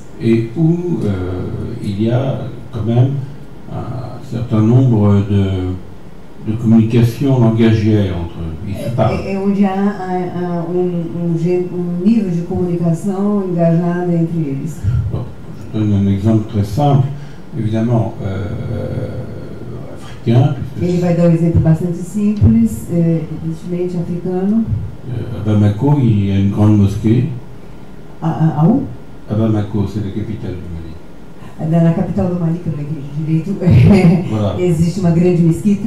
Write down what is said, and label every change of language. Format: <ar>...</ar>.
<fr>et où il y a quand même un certain nombre de communication langagière entre eux.</fr> <pt>É onde há um nível de comunicação engajada entre eles.</pt> <fr>Je donne un exemple très simple, évidemment, africain.</fr> <pt>Ele vai dar exemplo bastante simples, evidentemente africano.</pt> <fr>À Bamako, il y a une grande mosquée. À où? À Bamako, c'est la capitale du Mali.</fr> <pt>Na capital do Mali, que eu não entendi direito, voilà. Existe uma grande mesquita.</pt>